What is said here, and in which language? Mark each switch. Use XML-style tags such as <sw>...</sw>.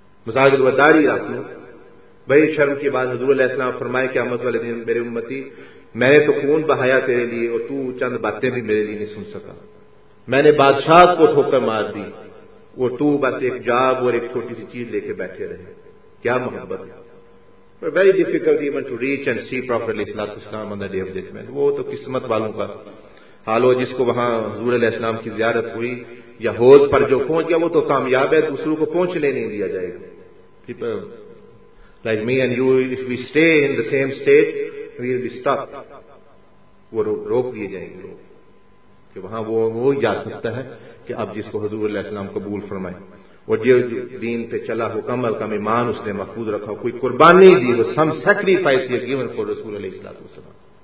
<ur>مزاج الوداری آپ نے, بھائی شرم کے بعد حضور علیہ السلام فرمائے کہ احمد والے دن میرے امتی, میں نے تو خون بہایا تیرے لیے اور تو چند باتیں بھی میرے لیے نہیں سن سکا. میں نے بادشاہ کو ٹھوکر مار دی اور تو بس ایک جاب اور ایک چھوٹی سی چیز لے کے بیٹھے رہے. کیا محبت ہے.</ur> <en>Very difficult even to reach and see prophet علیہ السلام on the day of judgement.</en> <ur>وہ تو قسمت والوں کا حال ہو, جس کو وہاں حضور علیہ السلام کی زیارت ہوئی یا حوض پر جو پہنچ گیا وہ تو کامیاب ہے, دوسروں کو پہنچنے نہیں دیا جائے گا.</ur> <en>people like me and you, if we stay in the same state we will be stuck,</en> <ur>وہ روک دیے جائیں گے لوگ, کہ وہاں وہ جا سکتا ہے کہ اب جس کو حضور علیہ السلام قبول فرمائے اور جو دین پہ چلا ہو, کم از کم ایمان اس نے محفوظ رکھا ہو, کوئی قربانی دی ہو,</ur> <en>some sacrifice you given for</en> <ur>رسول علیہ الصلوۃ والسلام.</ur>